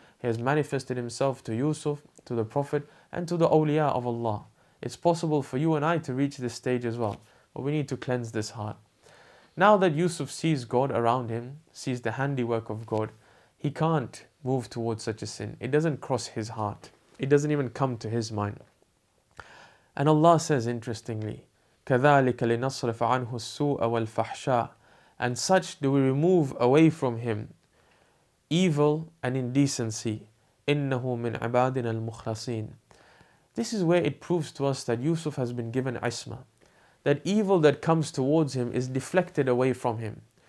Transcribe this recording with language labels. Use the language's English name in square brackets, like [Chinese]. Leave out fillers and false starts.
[English] He has manifested himself to Yusuf, to the Prophet, and to the awliya of Allah. It's possible for you and I to reach this stage as well, but we need to cleanse this heart. Now that Yusuf sees God around him, sees the handiwork of God, he can't move towards such a sin. It doesn't cross his heart. It doesn't even come to his mind. And Allah says, interestingly, [Arabic] كَذَٰلِكَ لِنَصْرِفَ عَنْهُ السُّوءَ وَالْفَحْشَاءَ. [English] And such do we remove away from him evil and indecency. [Arabic] إِنَّهُ مِنْ عِبَادِنَا الْمُخْلَصِينَ. [English] This is where it proves to us that Yusuf has been given ismah. That evil that comes towards him is deflected away from him.